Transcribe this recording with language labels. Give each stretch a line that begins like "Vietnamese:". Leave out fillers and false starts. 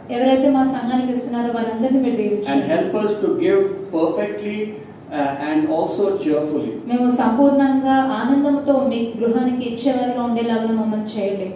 Telugu: ఎవరైతే మా సంఘానికి ఇస్తున్నారో వారందరినీ మీరు దీవించండి.
English: And help us to give perfectly and also cheerfully.
Telugu: మేము సంపూర్ణంగా ఆనందంతో మీ గృహానికి ఇచ్చేవారిగా ఉండేలాగా మమ్మల్ని చేయండి.